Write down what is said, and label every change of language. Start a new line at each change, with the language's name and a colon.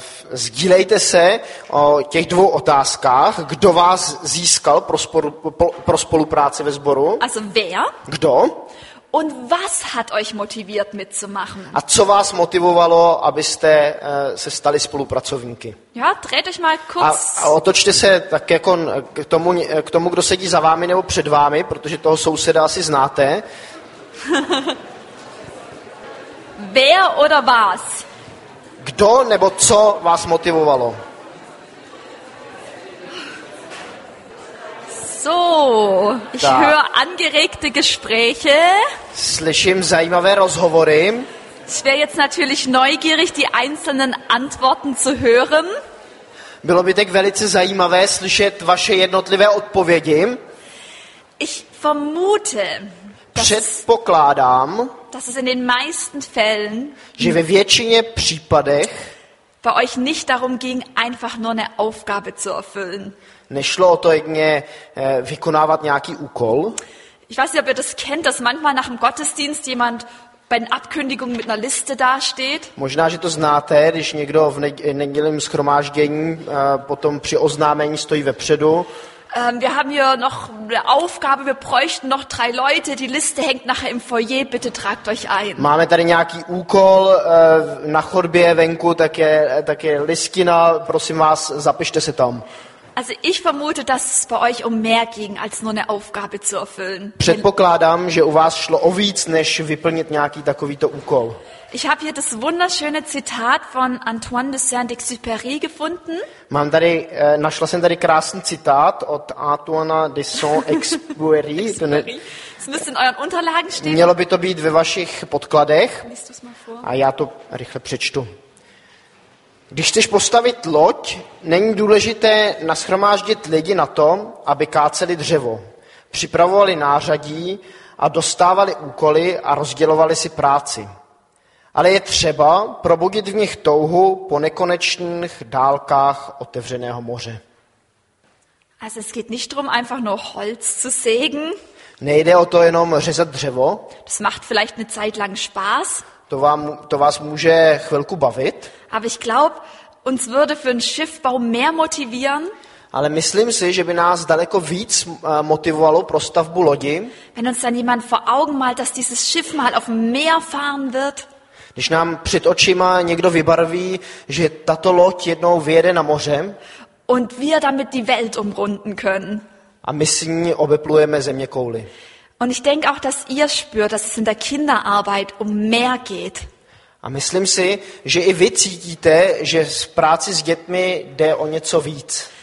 Czech: Sdílejte se o těch dvou otázkách. Kdo vás získal pro spolupráci ve sboru?
German: Also wer?
Czech: Kdo?
German: Und was hat euch motiviert mitzumachen?
Czech: A co vás motivovalo, abyste se stali spolupracovníky?
German: Ja, dreht euch mal kurz.
Czech: A otočte se tak jako k tomu, kdo sedí za vámi nebo před vámi, protože toho souseda asi znáte.
German: Wer oder was?
Czech: Kdo nebo co vás motivovalo?
German: So, ich höre angeregte Gespräche.
Czech: Slyším zajímavé rozhovory.
German: Ich wäre jetzt natürlich neugierig, die einzelnen Antworten zu hören.
Czech: Bylo by tak velice zajímavé slyšet vaše jednotlivé odpovědi.
German: Ich vermute,
Czech: předpokládám,
German: dass es in den meisten Fällen,
Czech: že ve většině případech,
German: bei euch nicht darum ging, einfach nur eine Aufgabe zu erfüllen.
Czech: Nešlo o to jedině vykonávat nějaký úkol.
German: Ich weiß nicht, ob ihr das kennt, dass manchmal nach dem Gottesdienst jemand bei den Abkündigungen mit einer Liste dasteht.
Czech: Možná, že to znáte, když někdo v nedělním shromáždění potom při oznámení stojí vepředu.
German: Wir haben hier noch eine Aufgabe, wir bräuchten noch drei Leute, die Liste hängt nachher im Foyer, bitte tragt euch ein.
Czech: Máme tady nějaký úkol na chodbě venku, tak je listina, prosím vás, zapište se tam.
German: Also ich vermute, dass es bei euch um mehr ging als nur eine Aufgabe zu erfüllen.
Czech: Předpokládám, že u vás šlo o víc než vyplnit nějaký takovýto úkol.
German: Ich habe hier das wunderschöne Zitat von Antoine de Saint-Exupéry gefunden.
Czech: Mám tady, našla jsem tady krásný citát od Antoine de Saint-Exupéry.
German: Es müsste in euren Unterlagen stehen.
Czech: Mělo by to být ve vašich podkladech. A já to rychle přečtu. Když chceš postavit loď, není důležité nashromáždit lidi na to, aby káceli dřevo, připravovali nářadí a dostávali úkoly a rozdělovali si práci. Ale je třeba probudit v nich touhu po nekonečných dálkách otevřeného moře.
German: Also es geht nicht drum, einfach nur Holz zu sägen.
Czech: Nejde o to jenom řezat dřevo.
German: Das macht vielleicht eine Zeit lang Spaß.
Czech: To vás může chvilku bavit.
German: Aber ich glaub, uns würde für einen Schiffbau mehr motivieren.
Czech: Ale myslím si, že by nás daleko víc motivovalo pro stavbu lodi.
German: Wenn uns dann jemand vor Augen malt, dass dieses Schiff mal auf dem Meer fahren wird.
Czech: Když nám před očima někdo vybarví, že tato loď jednou vyjede na moře.
German: Und wir damit die Welt umrunden können.
Czech: A my s ní obeplujeme země kouli.
German: Und ich denke auch, dass ihr spürt, dass es in der Kinderarbeit um mehr geht.
Czech: A myslím si, že i vy cítíte, že s práci s dětmi jde o něco víc.